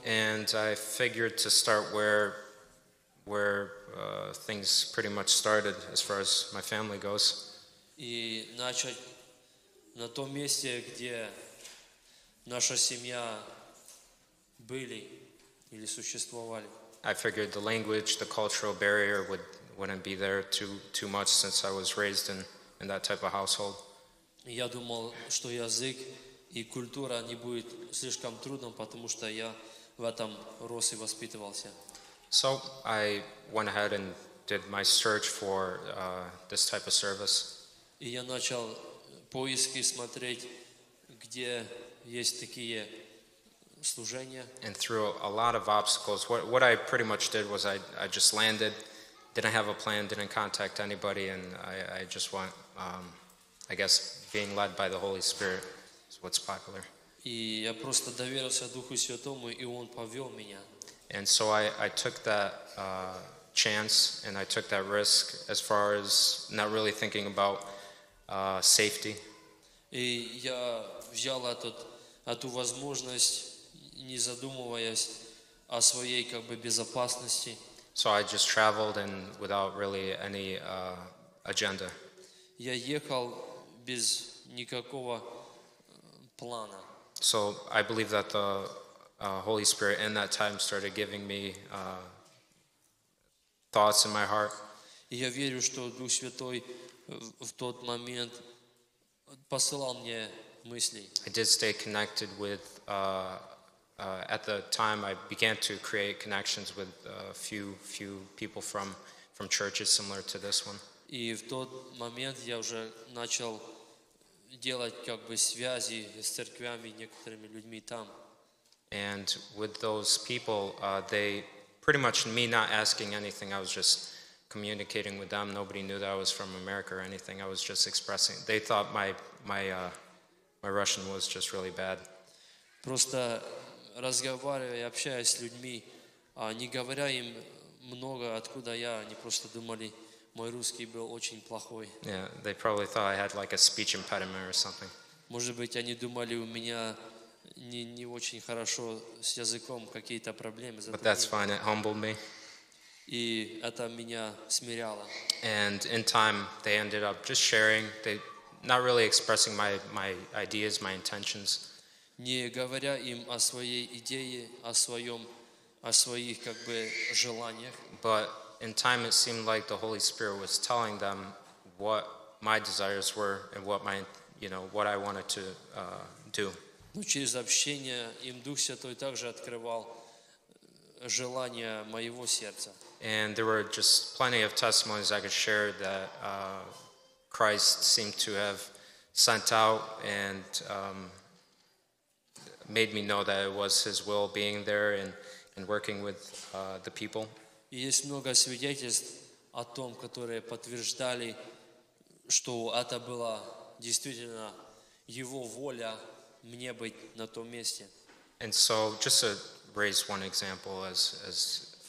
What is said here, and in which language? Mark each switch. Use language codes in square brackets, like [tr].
[en] And I figured to start where where things pretty much started as far as my family goes. [ru] И начать на том месте, где наша семья были или существовали. [en] I figured the language, the cultural barrier wouldn't be there too much since I was raised in that type of household. [ru] Я думал, что язык и культура не будет слишком трудным, потому что я в этом рос и воспитывался. [en] So I went ahead and did my search for this type of service. [ru] И я начал поиски смотреть, где есть такие служения. [en] And through a lot of obstacles, what I pretty much did was I just landed, didn't have a plan, didn't contact anybody, and I just went, I guess, being led by the Holy Spirit is what's popular. [ru] И я просто доверился Духу Святому, и Он повел меня. [en] And so I took that chance and I took that risk as far as not really thinking about safety. [ru] И я взял эту возможность, не задумываясь о своей как бы безопасности. [en] So I just traveled and without really any agenda. [ru] Я ехал без никакого плана. [en] So I believe that the Holy Spirit in that time started giving me thoughts in my heart. [ru] И я верю, что Дух Святой в тот момент посылал мне мысли. [en] I did stay connected with at the time I began to create connections with a few people from churches similar to this one. [ru] И в тот момент я уже начал делать как бы связи с церквями, некоторыми людьми там. [en] And with those people, they pretty much, me not asking anything, I was just communicating with them. Nobody knew that I was from America or anything. I was just expressing. They thought my Russian was just really bad. [ru] Просто разговаривая, общаясь с людьми, не говоря им много, откуда я, они просто думали, мой русский был очень плохой. [en] Yeah, they probably thought I had like a speech impediment or something. [ru] Может быть, они думали, у меня не очень хорошо с языком, какие-то проблемы. [en] But that's fine, it humbled me. [ru] И это меня смиряло. [en] And in time, they ended up just sharing, they not really expressing my ideas, my intentions. [ru] Не говоря им о своей идее, о своих как бы желаниях. [en] But in time, it seemed like the Holy Spirit was telling them what my desires were and what my, you know, what I wanted to do. [ru] Ну, через общение им Дух Святой также открывал желания моего сердца. [en] And there were just plenty of testimonies I could share that Christ seemed to have sent out and made me know that it was His will being there and working with the people. [ru] И есть много свидетельств о том, которые подтверждали, что это была действительно Его воля мне быть на том месте. [en] And so, just to raise one example, as